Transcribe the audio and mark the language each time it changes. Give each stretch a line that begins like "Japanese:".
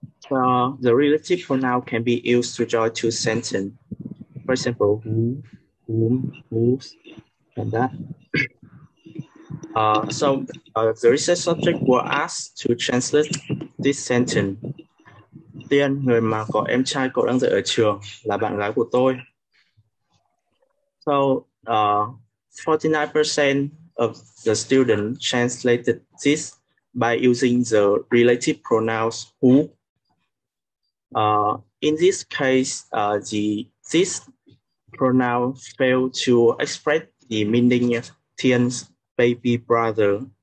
English: The relative pronoun can be used to join two sentences. For example, who, whom, whose, and that. The research subject was asked to translate this sentence.
Vietnamese: Tiên, người mà có em trai cậu đang dạy ở trường, là bạn gái của tôi.
English: So, 49% of the students translated this by using the relative pronouns who. In this case, this pronoun failed to express the meaning of Tiên's baby brother.